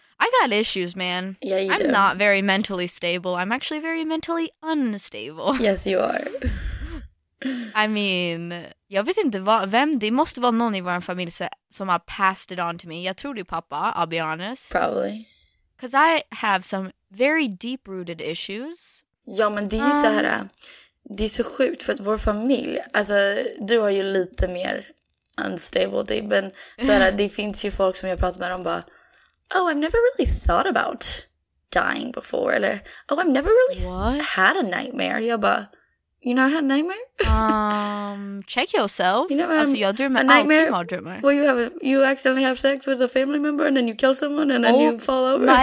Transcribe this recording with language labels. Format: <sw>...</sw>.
<en>I got issues, man. Yeah, you I'm do. Not very mentally stable. I'm actually very mentally unstable. Yes, you are. I mean,</en> <sv>jag vet inte vem, det måste vara någon i vår familj som har</sv> <en>passed it on to me.</en> <sv>Jag tror det är pappa,</sv> <en>I'll be honest. Probably. Because I have some very deep-rooted issues.</en> <sv>Ja, men det är så här, det är så sjukt för att vår familj, alltså du har ju lite mer unstable, men så här, det finns ju folk som jag pratar med om bara,</sv> <en>oh, I've never really thought about dying before,</en> <sv>eller,</sv> <en>oh, I've never really had a nightmare,</en> <sv>jag bara...</sv> <en>You know I had a nightmare? Check yourself. You know,</en> <sv>alltså, jag drömmer alltid mardrömmar.</sv> <en>Well, you accidentally have sex with a family member and then you kill someone and then you fall over.</en>